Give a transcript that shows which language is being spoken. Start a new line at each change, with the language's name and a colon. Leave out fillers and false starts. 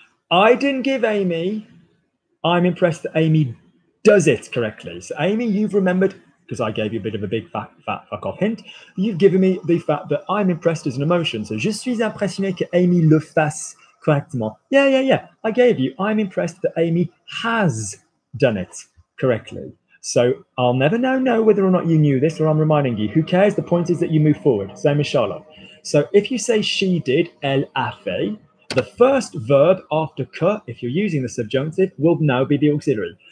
English: I didn't give Amy... I'm impressed that Amy does it correctly. So Amy, you've remembered, because I gave you a bit of a big fat fuck off hint, you've given me the fact that I'm impressed as an emotion.
French: So je suis impressionné que Amy le fasse correctement.
English: Yeah. I gave you, I'm impressed that Amy has done it correctly. So I'll never know whether or not you knew this or I'm reminding you. Who cares? The point is that you move forward. Same as Charlotte. So if you say she did,
French: elle a fait,
English: the first verb after que, if you're using the subjunctive, will now be the auxiliary.